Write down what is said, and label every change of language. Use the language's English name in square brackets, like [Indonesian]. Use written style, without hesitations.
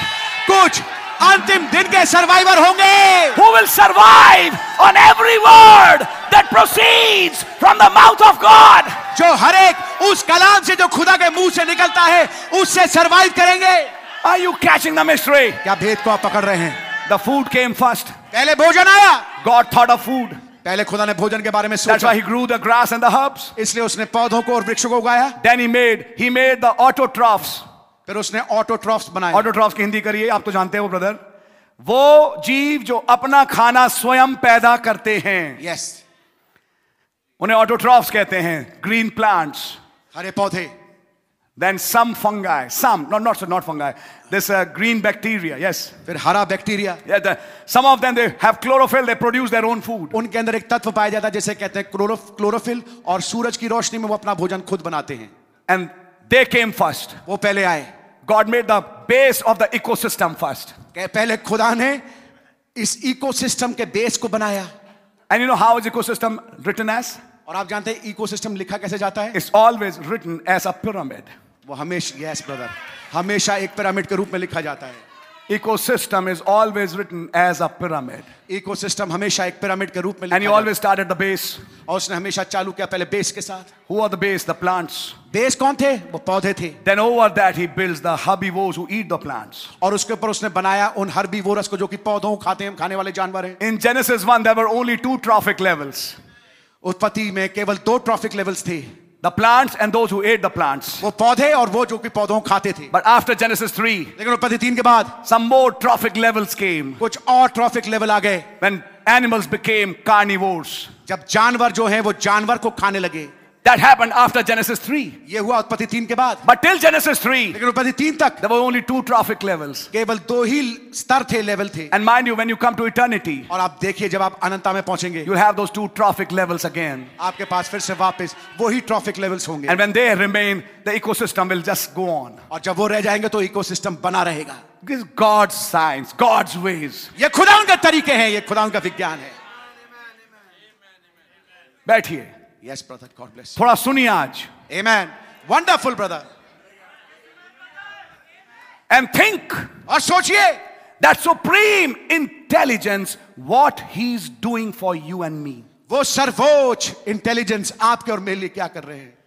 [Hindi] कुछ अंतिम दिन के सर्वाइवर होंगे. [English] Who will survive on every word that proceeds from the mouth of God? [Hindi] जो हर एक उस कलाम से जो खुदा के मुंह से निकलता है उससे सर्वाइव करेंगे. [English] Are you catching the mystery? [Hindi] क्या भेद को आप पकड़ रहे हैं? [English] The food came first. [Hindi] पहले भोजन आया. [English] God thought of food. [Hindi] पहले खुदा ने भोजन के बारे में सोचा. [English] That's why he grew the grass and the herbs. [Hindi] इसलिए उसने पौधों को और वृक्षों को उगाया. [English] Then he made the autotrophs. [Hindi] फिर उसने ऑटोट्रॉफ्स बनाए. ऑटोट्रॉफ्स की हिंदी करिए, आप तो जानते हो ब्रदर, वो जीव जो अपना खाना स्वयं पैदा करते हैं. [English] Yes yes. [Hindi] उन्हें ऑटोट्रॉफ्स कहते हैं. [English] green plants, [Hindi] हरे पौधे. [English] Then some fungi, some not not fungi, this green bacteria. Yes, [Hindi] फिर हरा bacteria. [English] Some of them they have chlorophyll, they produce their own food. [Hindi] उनके अंदर एक तत्व पाया जाता है जिसे कहते हैं क्लोरोफिल, और सूरज की रोशनी में वो अपना भोजन खुद बनाते हैं. [English] And They came first. [Hindi] वो पहले आए. [English] God made the base of the ecosystem first. [Hindi] पहले खुदा ने इस ecosystem के बेस को बनाया. [English] And you know how is ecosystem written as? [Hindi] और आप जानते हैं ecosystem लिखा कैसे जाता है? [English] It's always written as a pyramid. [Hindi] वो हमेशा, [English] yes brother, [Hindi] हमेशा एक pyramid के रूप में लिखा जाता है. [English] Ecosystem is always written as a pyramid. [Hindi] Ecosystem हमेशा एक pyramid के रूप में. [English] And he always started at the base. [Hindi] और उसने हमेशा चालू किया पहले base के साथ. [English] Who are the base? The plants. [Hindi] Base कौन थे? वो पौधे थे. [English] Then over that he builds the herbivores who eat the plants. [Hindi] और उसके ऊपर उसने बनाया उन herbivores को जो कि पौधों को खाते हैं, खाने वाले जानवर हैं. [English] In Genesis 1 there were only two trophic levels. [Hindi] उत्पत्ति में केवल दो trophic levels थे. [English] The plants and those who ate the plants. [Hindi] वो पौधे और वो जो कि पौधों खाते थे. [English] But after Genesis 3, [Hindi] लेकिन उत्पत्ति 3 के बाद, [English] some more trophic levels came. [Hindi] कुछ और trophic level आ गए. [English] When animals became carnivores. [Hindi] जब जानवर जो हैं वो जानवर को खाने लगे. [English] That happened after Genesis 3. [Hindi] ये हुआ उत्पत्ति 3 के बाद. [English] But till Genesis 3, [Hindi] लेकिन उत्पत्ति 3 तक, [English] there were only two trophic levels. [Hindi] केवल दो ही स्तर थे, level थे. [English] And mind you, when you come to eternity, [Hindi] और आप देखिए जब आप अनंता में पहुंचेंगे, [English] you'll have those two trophic levels again. [Hindi] आपके पास फिर से वापस वो ही trophic levels होंगे. [English] And when they remain, the ecosystem will just go on. [Hindi] और जब वो रह जाएंगे तो ecosystem बना रहेगा. [English] This is God's science, God's ways. [Hindi] ये खुदा उनका तरीके हैं, ये खुदा उनका विज्ञान है. बैठिए. [English] Yes, brother. God bless. [Hindi] थोड़ा सुनिए आज. [English] Amen. Wonderful, brother. And think. [Hindi] और सोचिए [English] that supreme intelligence what he's doing for you and me. [Hindi] वो सर्वोच्च इंटेलिजेंस आपके और मेरे लिए क्या कर रहे हैं.